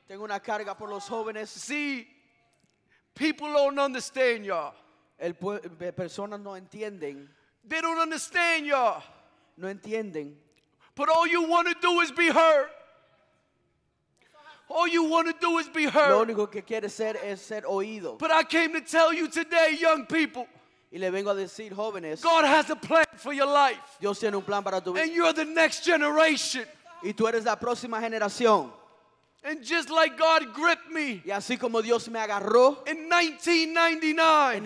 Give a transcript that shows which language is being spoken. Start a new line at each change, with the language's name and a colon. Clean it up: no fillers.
Spanish: Tengo una carga por los jóvenes.
English: See, people don't understand y'all.
Spanish: Personas no entienden.
English: They don't understand y'all.
Spanish: No entienden.
English: But all you want to do is be heard. All you want to do is be heard.
Spanish: Lo único que quiere ser es ser oído.
English: But I came to tell you today, young people.
Spanish: Y le vengo a decir, jóvenes.
English: God has a plan for your life.
Spanish: Dios tiene un plan para tu vida.
English: And you're the next generation.
Spanish: Y tú eres la próxima generación.
English: And just like God gripped me.
Spanish: Y así como Dios me agarró.
English: In 1999.